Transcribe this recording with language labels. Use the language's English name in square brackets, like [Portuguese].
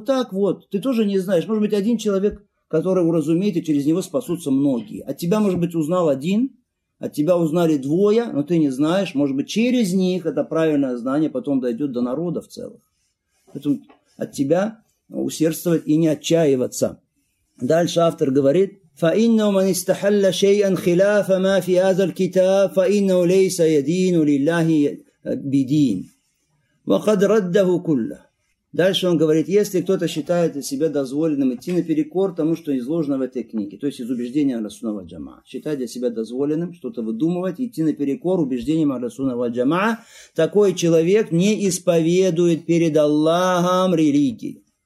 [Russian] Вот так вот, ты тоже не знаешь, может быть, 1 человек, который уразумеет, и через него спасутся многие. От тебя, может быть, узнал 1, от тебя узнали 2, но ты не знаешь, может быть, через них это правильное знание потом дойдет до народа в целом. Поэтому от тебя усердствовать и не отчаиваться. Дальше автор говорит, [Arabic] فإنه من استحل شيئا خلاف ما في هذا الكتاب فإنه ليس يدين لله بدين وقد رده كله. [Russian] Дальше он говорит, если кто-то считает себя дозволенным идти наперекор тому, что изложено в этой книге, то есть из убеждения Ар-Рассуна Валь-Джамаа, считает для себя дозволенным что-то выдумывать, идти наперекор убеждениям Ар-Рассуна Валь-Джамаа, такой человек не исповедует перед Аллахом религии.